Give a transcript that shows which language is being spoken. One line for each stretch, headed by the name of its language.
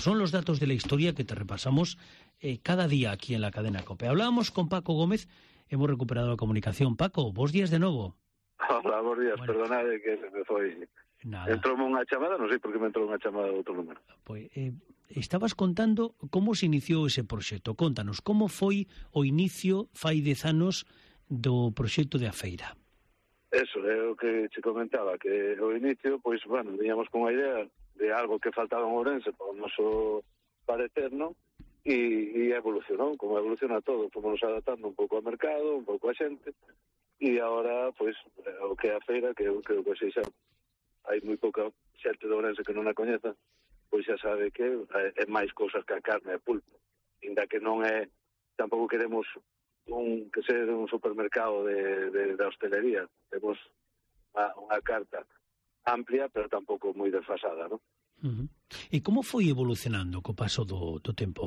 Spanish: Son los datos de la historia que te repasamos cada día aquí en la cadena COPE. Hablábamos con Paco Gómez, hemos recuperado la comunicación. Paco, vos días de nuevo. Hola, buenos días, bueno, perdonad que se me fue. Nada. Entróme una chamada, no sé por qué me entró una chamada de otro número. Pues estabas contando cómo se inició ese proxecto.
Galician: Contanos, ¿cómo foi o inicio, fai 10 anos, do proxecto de Afeira? Eso, é o que te comentaba, que o inicio, pois, bueno, viñamos con a idea de algo que faltaba en Ourense, para o noso parecer, non? E evolucionou, como evoluciona todo, como nos adaptando un pouco ao mercado, un pouco a xente, e agora, pois, o que é Afeira, que eu creo que se xa hai moi pouca xente de Ourense que non a coñeza, pois xa sabe que é máis cousas que a carne e pulpo. Inda que non é, tampouco queremos un, que ser un supermercado de hostelería. Temos
Spanish: una carta amplia, pero tampoco muy desfasada, ¿no?
Galician: E como foi evolucionando co paso do tempo?